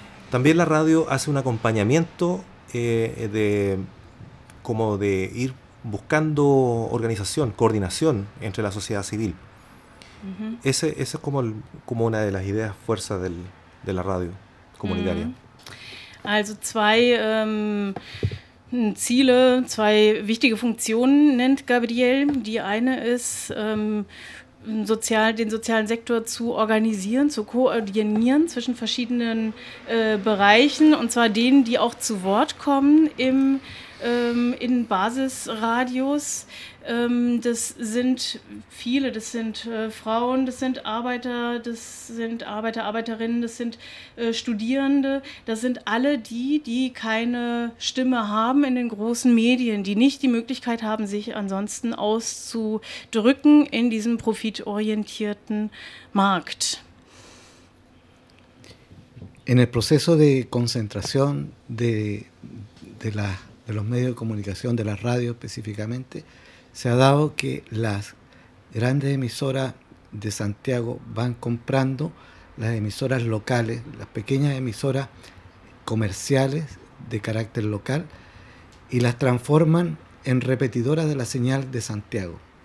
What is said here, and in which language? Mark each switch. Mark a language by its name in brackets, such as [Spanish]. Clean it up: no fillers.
[Spanish] También la radio hace un acompañamiento de ir buscando organización, coordinación entre la sociedad civil. Uh-huh. Ese es como una de las ideas fuerzas de la radio comunitaria. Uh-huh. [German] Also Ziele, zwei wichtige Funktionen nennt Gabriel. Die eine ist, den sozialen Sektor zu organisieren, zu koordinieren zwischen verschiedenen Bereichen, und zwar denen, die auch zu Wort kommen in Basisradios. Das sind viele, das sind Frauen, das sind Arbeiter, Arbeiterinnen, das sind Studierende, das sind alle die keine Stimme haben in den großen Medien, die nicht die Möglichkeit haben, sich ansonsten auszudrücken in diesem profitorientierten Markt. [Spanish] En el proceso de concentración de los medios de comunicación, de la radio específicamente, se ha dado que las grandes emisoras de Santiago van comprando las emisoras locales, las pequeñas emisoras comerciales de carácter local, y las transforman en repetidoras de la señal de Santiago.